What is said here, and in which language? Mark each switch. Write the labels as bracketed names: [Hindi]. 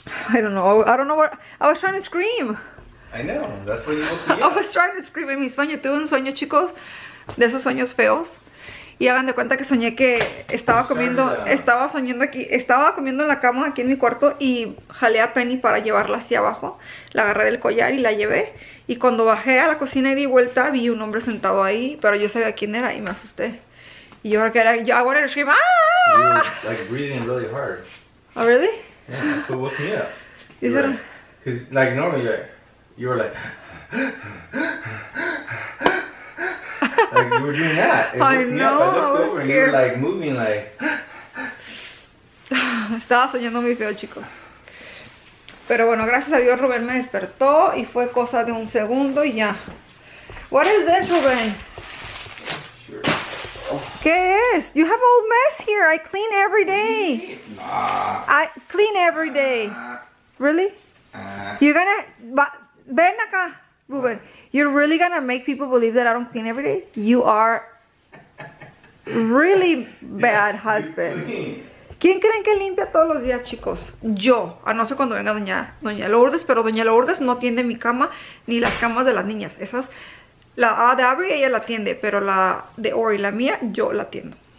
[English] I don't know. I was trying to scream. I know, that's what you want to be. I was trying to scream in my sleep. [Spanish] Tuve un sueño, chicos, de esos sueños feos. Y hagan de cuenta que soñé que estaba comiendo, estaba soñando aquí, estaba comiendo en la cama aquí en mi cuarto y jalé a Penny para llevarla hacia abajo. La agarré del collar y la llevé. Y cuando bajé a la cocina y di vuelta, vi un hombre sentado ahí, pero yo sabía quién era y me asusté. Y yo creo que era, yo, [English] I wanted to scream, [Spanish] ¡ah! [English] You were, like, breathing really hard. Oh, really? Yeah, that's what woke me up. Because, like, normally, like, you were like, like you were doing that. I know. I looked over and you were like moving, like. [Spanish] Estaba soñando muy feo, chicos. Pero bueno, gracias a Dios, Rubén me despertó y fue cosa de un segundo y ya. [English] What is this, Rubén? [Spanish] ¿Qué es? [English] You have old mess here. I clean every day. Nah. I clean every day. Really? You're gonna, but. [Spanish] Ven acá, Ruben. [English] You're really gonna make people believe that I don't clean every day? You are really bad yes, husband. [Spanish] ¿Quién creen que limpia todos los días, chicos? Yo. A no ser cuando venga Doña Lourdes, pero Doña Lourdes no tiende mi cama ni las camas de las niñas. Esas, la A de Avery, ella la atiende, pero la de Ori, la mía, yo la atiendo.